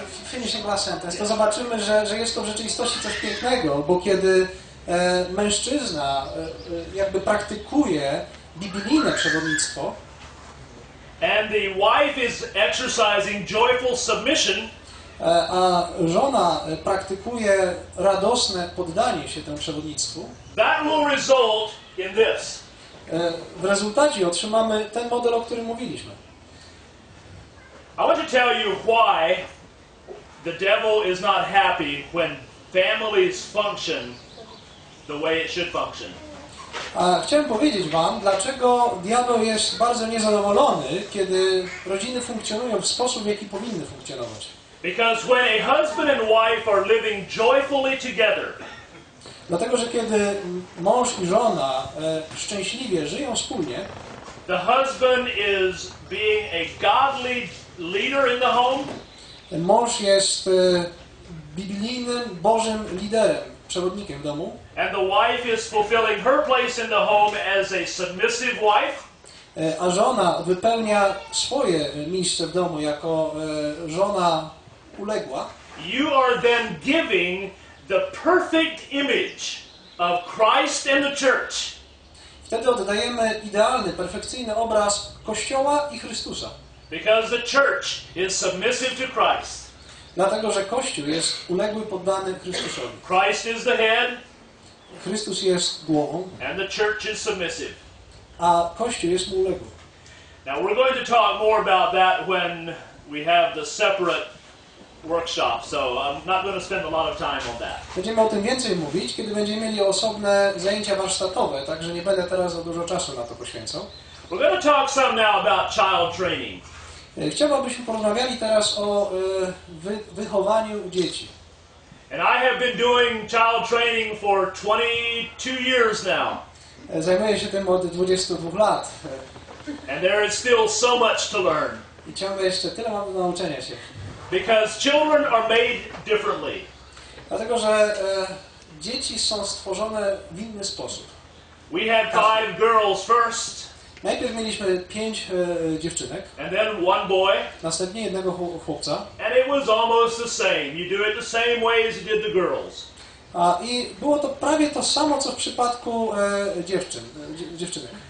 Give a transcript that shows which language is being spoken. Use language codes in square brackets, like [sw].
[en] finishing last sentence, yes. [pl] To zobaczymy, że jest to w rzeczywistości coś pięknego, bo kiedy mężczyzna jakby praktykuje biblijne przewodnictwo, [en] and the wife is exercising joyful submission, [pl] a żona praktykuje radosne poddanie się temu przewodnictwu, [en] that will result in this. [pl] W rezultacie otrzymamy ten model, o którym mówiliśmy. [en] I want to tell you why the devil is not happy when families function the way it should function. [pl] Chciałem powiedzieć wam, dlaczego diabeł jest bardzo niezadowolony, kiedy rodziny funkcjonują w sposób, w jaki powinny funkcjonować. [en] Because when a husband and wife are living joyfully together. [pl] Dlatego, że kiedy mąż i żona szczęśliwie żyją wspólnie, [en] the husband is being a godly leader in the home. [pl] Mąż jest biblijnym, Bożym liderem, przewodnikiem w domu. [en] And the wife is fulfilling her place in the home as a submissive wife. [pl] A żona wypełnia swoje miejsce w domu jako żona uległa. [en] You are then giving the perfect image of Christ and the church. [pl] Wtedy oddajemy idealny, perfekcyjny obraz Kościoła i Chrystusa. [en] Because the church is submissive to Christ. [pl] Dlatego, że Kościół jest uległy, poddany Chrystusowi. [en] Christ is the head. [pl] Chrystus jest głową. [en] And the church is submissive. [pl] A Kościół jest mu uległy. [en] Now we're going to talk more about that when we have the separate workshop. So I'm not going to spend a lot of time on that. [pl] Będziemy o tym więcej mówić, kiedy będziemy mieli osobne zajęcia warsztatowe, także nie będę teraz za dużo czasu na to poświęcał. [en] We're going to talk some now about child training. [pl] Chciałbym, abyśmy porozmawiali teraz o wychowaniu dzieci. [en] And I have been doing child training for 22 years now. [pl] Zajmuję się tym od 22 lat. [en] And there is still so much to learn. [pl] I ciągle jeszcze tyle mam do nauczenia się. [en] Because children are made differently. [pl] Dlatego, że dzieci są stworzone w inny sposób. [en] We had five girls first. [pl] Najpierw mieliśmy pięć dziewczynek. [en] And then one boy. [pl] Następnie jednego chłopca. [en] And it was almost the same. You do it the same way as you did the girls. [pl] I było to prawie to samo, co w przypadku dziewczynek.